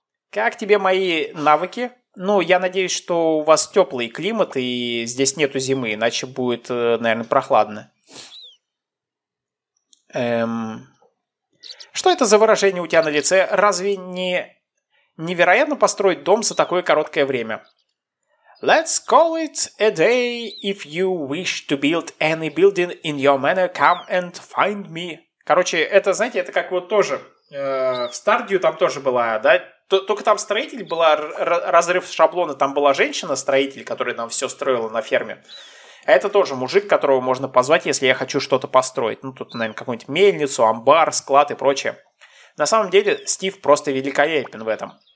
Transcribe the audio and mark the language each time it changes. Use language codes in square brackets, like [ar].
[ru] Как тебе мои навыки? Ну, я надеюсь, что у вас теплый климат и здесь нету зимы, иначе будет, наверное, прохладно. Что это за выражение у тебя на лице? Разве не невероятно построить дом за такое короткое время? [en] Let's call it a day. If you wish to build any building in your manor, come and find me. [ru] Короче, это, знаете, это как вот тоже в Stardew там тоже была, да? Только там строитель была, разрыв шаблона, там была женщина-строитель, которая нам все строила на ферме. Это тоже мужик, которого можно позвать, если я хочу что-то построить. Ну, тут, наверное, какую-нибудь мельницу, амбар, склад и прочее. На самом деле, Стив просто великолепен в этом.